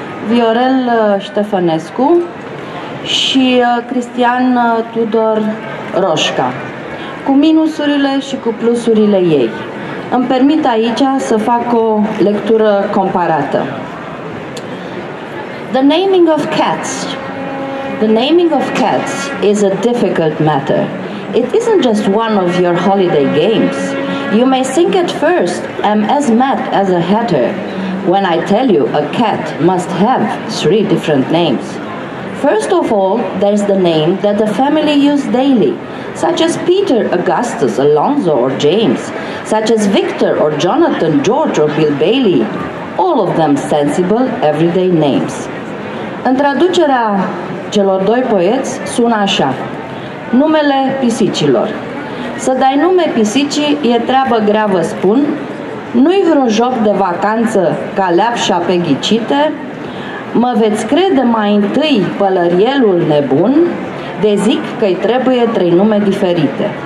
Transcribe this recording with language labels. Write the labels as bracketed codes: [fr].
[ro] Viorel Ștefănescu și Cristian Tudor Roșca, cu minusurile și cu plusurile ei. Îmi permit aici să fac o lectură comparată. [en] The naming of cats. The naming of cats is a difficult matter. It isn't just one of your holiday games. You may think at first I'm as mad as a hatter when I tell you a cat must have three different names. First of all, there's the name that the family use daily, such as Peter, Augustus, Alonzo, or James, such as Victor, or Jonathan, George, or Bill Bailey, all of them sensible, everyday names. [ro] În traducerea celor doi poeți sună așa, numele pisicilor. Să dai nume pisicii e treabă grea, vă spun, nu-i vreun joc de vacanță ca leapșa pe ghicite, mă veți crede mai întâi pălărielul nebun, de zic că-i trebuie trei nume diferite.